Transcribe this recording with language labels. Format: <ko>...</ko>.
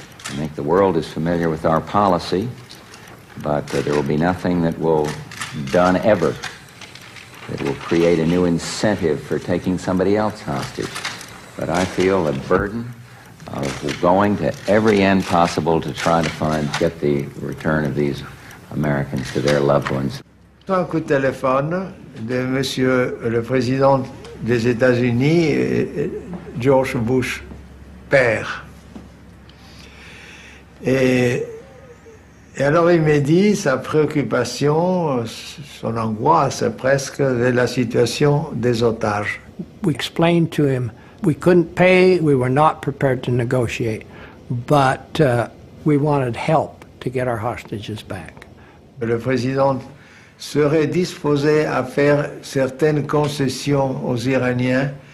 <en>I think the world is familiar with our policy, but there will be nothing that will done ever that will create a new incentive for taking somebody else hostage. But I feel the burden of going to every end possible to try to find, get the return of these Americans to their loved ones.</en> <fr>Un coup de téléphone de Monsieur le Président des États-Unis, George Bush, père. Et alors il m'a dit sa préoccupation, son angoisse presque, de la situation des otages.</fr> <en>We explained to him We couldn't pay, we were not prepared to negotiate, but we wanted help to get our hostages back.</en> <fr>Le président serait disposé à faire certaines concessions aux Iraniens.</fr>